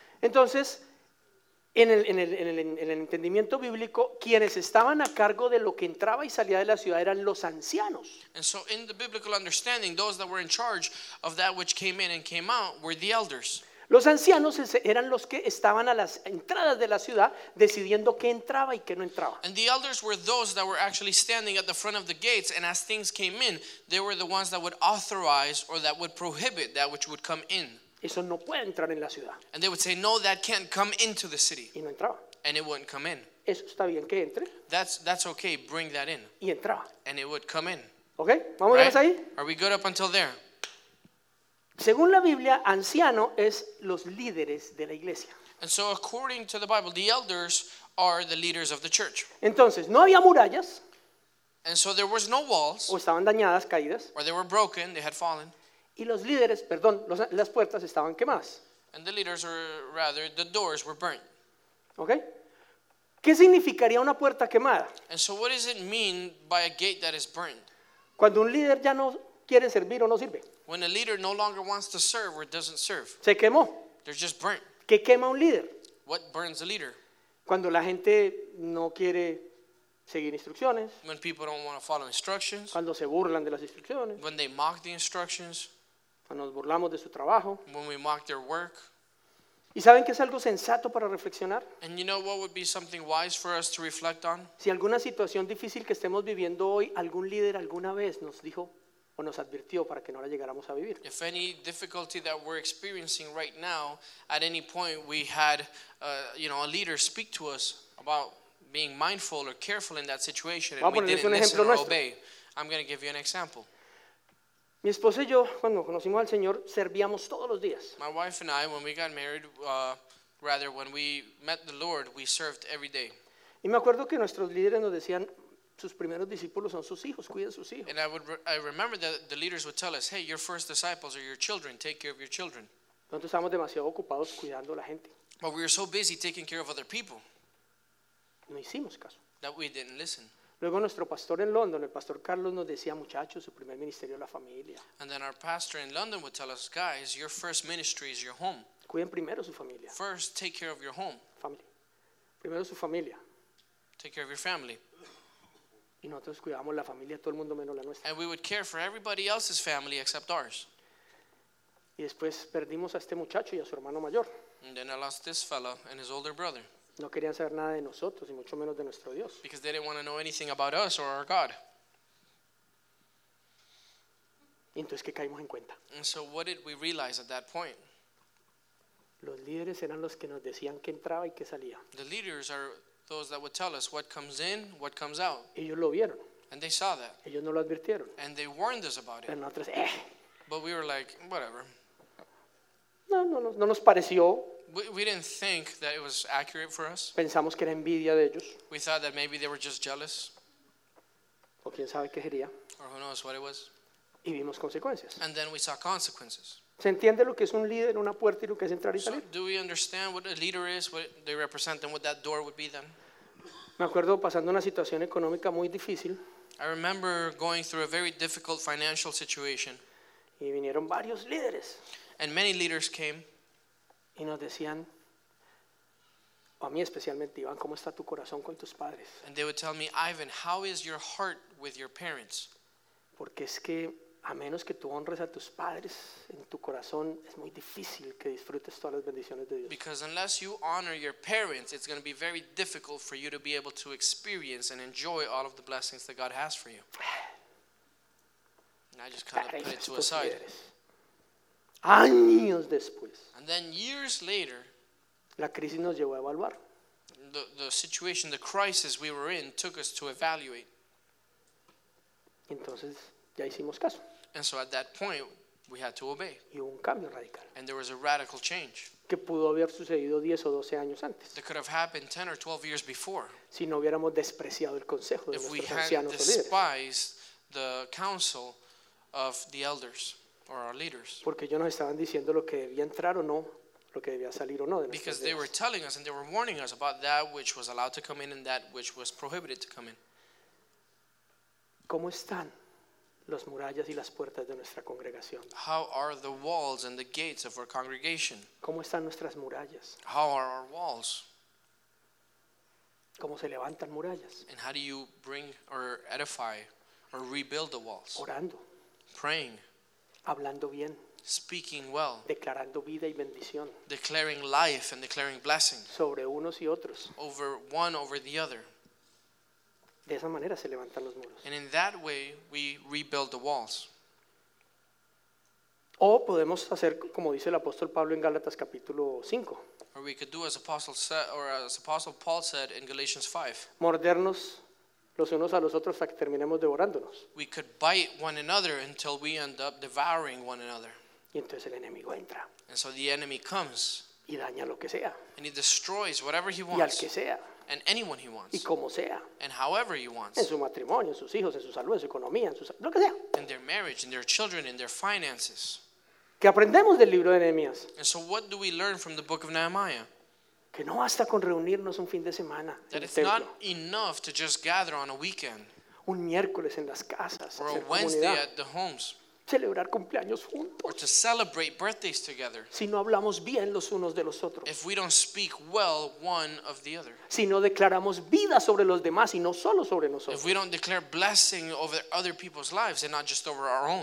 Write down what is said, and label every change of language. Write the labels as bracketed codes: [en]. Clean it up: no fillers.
[es] Entonces, en el entendimiento bíblico, quienes estaban a cargo de lo que entraba y salía de la ciudad eran los ancianos. [en] And so in the biblical understanding, those that were in charge of that which came in and came out were the elders. [es] Los ancianos eran los que estaban a las entradas de la ciudad decidiendo qué entraba y qué no entraba. [en] And the elders were those that were actually standing at the front of the gates, and as things came in, they were the ones that would authorize or that would prohibit that which would come in. [es] Eso no puede entrar en la ciudad. [en] And they would say, no, that can't come into the city. [es] Y no entraba. [en] And it wouldn't come in. [es] Eso está bien que entre. [en] That's okay, bring that in. [es] Y entraba. [en] And it would come in. [es] Okay, vamos right? Ahí. [en] Are we good up until there? [es] Según la Biblia, anciano es los líderes de la iglesia. [en] And so according to the Bible, the elders are the leaders of the church. [es] Entonces, no había murallas. [en] And so there was no walls. [es] O estaban dañadas, caídas. [en] Or they were broken, they had fallen. [es] Y los líderes, perdón, las puertas estaban quemadas. [en] And the leaders, or rather, the doors were burnt. Okay. [es] ¿Qué significaría una puerta quemada? [en] And so what does it mean by a gate that is burnt? [es] Cuando un líder ya no quiere servir o no sirve. [en] When a leader no longer wants to serve or doesn't serve. [es] Se quemó. [en] They're just burnt. [es] ¿Qué quema un líder? [en] What burns a leader? [es] Cuando la gente no quiere seguir instrucciones. [en] When people don't want to follow instructions. [es] Cuando se burlan de las instrucciones. [en] When they mock the instructions. [es] Cuando nos burlamos de su trabajo. [en] When we mock their work. [es] ¿Y saben qué es algo sensato para reflexionar? [en] And you know what would be something wise for us to reflect on? [es] Si alguna situación difícil que estemos viviendo hoy, algún líder alguna vez nos dijo o nos advirtió para que no la llegáramos a vivir. [en] If any difficulty that we're experiencing right now, at any point we had, a leader speak to us about being mindful or careful in that situation and we didn't listen or obey. I'm going to give you an example. [es] Mi esposa y yo, cuando conocimos al Señor, servíamos todos los días. [en] My wife and I, when we got married, when we met the Lord, we served every day. [es] Y me acuerdo que nuestros líderes nos decían, sus primeros discípulos son sus hijos, cuiden sus hijos. [en] And I remember that the leaders would tell us, hey, your first disciples are your children, take care of your children. [es] Nosotros estábamos demasiado ocupados cuidando a la gente. [en] But we were so busy taking care of other people. [es] No hicimos caso. [en] That we didn't listen. [es] Luego nuestro pastor en London, el pastor Carlos, nos decía, muchachos, su primer ministerio es la familia. [en] And then our pastor in London would tell us, guys, your first ministry is your home. [es] Cuiden primero su familia. [en] First, take care of your home. [es] Family. Primero su familia. [en] Take care of your family. [es] Y nosotros cuidamos la familia, todo el mundo menos la nuestra. [en] And we would care for everybody else's family except ours. [es] Y después perdimos a este muchacho y a su hermano mayor. [en] And then I lost this fellow and his older brother. [es] No querían saber nada de nosotros y mucho menos de nuestro Dios. [en] Because they didn't want to know anything about us or our God. [es] Y entonces, ¿qué caímos en cuenta? [en] And so what did we realize at that point? [es] Los líderes eran los que nos decían qué entraba y qué salía. [en] The leaders are those that would tell us what comes in, what comes out. [es] Ellos lo vieron. [en] And they saw that. [es] Ellos no lo advirtieron. [en] And they warned us about it. [es] Pero nosotros, [en] But we were like, whatever. [es] No nos pareció. [en] We didn't think that it was accurate for us. [es] Pensamos que era envidia de ellos. [en] We thought that maybe they were just jealous. [es] O quién sabe qué sería. [en] Or who knows what it was. [es] Y vimos consecuencias. [en] And then we saw consequences. [es] ¿Se entiende lo que es un líder, una puerta y lo que es entrar y salir? [en] So do we understand what a leader is, what they represent, and what that door would be then? [es] Me acuerdo pasando una situación económica muy difícil. [en] I remember going through a very difficult financial situation. [es] Y vinieron varios líderes. [en] And many leaders came. [es] Y nos decían, o a mí especialmente, Iván, ¿cómo está tu corazón con tus padres? [en] And they would tell me, Ivan, how is your heart with your parents? [es] Porque es que a menos que tú honres a tus padres en tu corazón, es muy difícil que disfrutes todas las bendiciones de Dios. [en] Because unless you honor your parents, it's going to be very difficult for you to be able to experience and enjoy all of the blessings that God has for you. And I just kind of put it to a side. [es] Años después. [en] And then years later, [es] la crisis nos llevó a evaluar. [en] The situation, the crisis we were in, took us to evaluate. [es] Entonces, ya hicimos caso. [en] And so at that point, we had to obey. [es] Y hubo un cambio radical. [en] And there was a radical change. [es] Que pudo haber sucedido 10 o 12 años antes. [en] That could have happened 10 or 12 years before. [es] Si no hubiéramos despreciado el consejo de nuestros ancianos o líderes. [en] If we had despised the counsel of the elders. Or our leaders. [es] Porque ellos nos estaban diciendo lo que debía entrar o no, lo que debía salir o no. [en] Because they were telling us and they were warning us about that which was allowed to come in and that which was prohibited to come in. [es] ¿Cómo están las murallas y las puertas de nuestra congregación? [en] How are the walls and the gates of our congregation? [es] ¿Cómo están nuestras murallas? [en] How are our walls? [es] ¿Cómo se levantan murallas? [en] And how do you bring or edify or rebuild the walls? [es] Orando. [en] Praying. [es] Hablando bien. [en] Speaking well. [es] Declarando vida y bendición. [en] Declaring life and declaring blessing. [es] Sobre unos y otros. [en] Over one, over the other. [es] De esa manera se levantan los muros. [en] And in that way, we rebuild the walls. [es] O podemos hacer como dice el apóstol Pablo en Gálatas capítulo 5. [en] Or we could do as apostle said, or as apostle Paul said in Galatians 5. [es] Mordernos los unos a los otros hasta que terminemos devorándonos. [en] We could bite one another until we end up devouring one another. [es] Y entonces el enemigo entra. [en] And so the enemy comes. [es] Y daña lo que sea. [en] And he destroys whatever he wants. [es] Y al que sea. [en] And anyone he wants. [es] Y como sea. [en] And however he wants. [es] En su matrimonio, en sus hijos, en su salud, en su economía, en su lo que sea. [en] In their marriage, in their children, in their finances. [es] ¿Qué aprendemos del libro de Nehemías? [en] And so what do we learn from the book of Nehemiah? [es] Que no basta con reunirnos un fin de semana. [en] That it's not enough to just gather on a weekend. [es] Un miércoles en las casas. [en] Or a Wednesday at the homes. [es] Celebrar cumpleaños juntos. [en] Or to celebrate birthdays together. [es] Si no hablamos bien los unos de los otros. [en] If we don't speak well one of the other. [es] Si no declaramos vida sobre los demás y no solo sobre nosotros. [en] If we don't declare blessing over other people's lives and not just over our own.